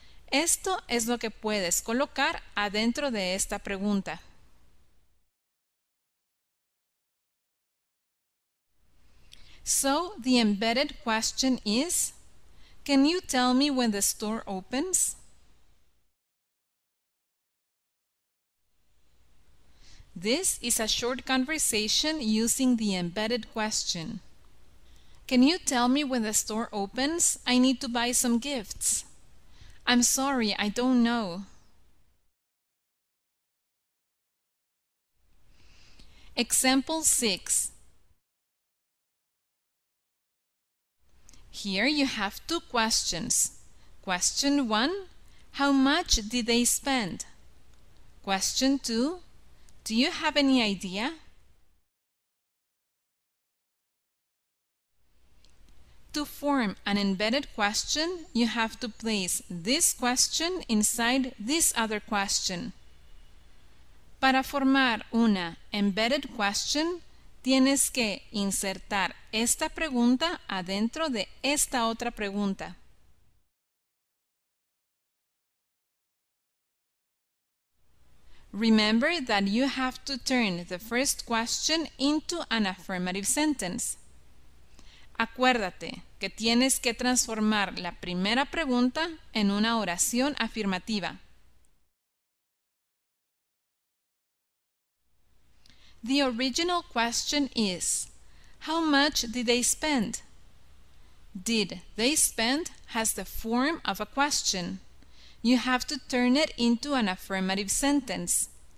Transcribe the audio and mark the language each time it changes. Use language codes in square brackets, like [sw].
[es] Esto es lo que puedes colocar adentro de esta pregunta. [en] So, the embedded question is, can you tell me when the store opens? This is a short conversation using the embedded question. Can you tell me when the store opens? I need to buy some gifts. I'm sorry, I don't know. Example 6. Here you have two questions. Question 1, how much did they spend? Question 2. Do you have any idea? To form an embedded question, you have to place this question inside this other question. [es] Para formar una embedded question, tienes que insertar esta pregunta adentro de esta otra pregunta. [en] Remember that you have to turn the first question into an affirmative sentence. [es] Acuérdate que tienes que transformar la primera pregunta en una oración afirmativa. [en] The original question is, how much did they spend? Did they spend has the form of a question. You have to turn it into an affirmative sentence.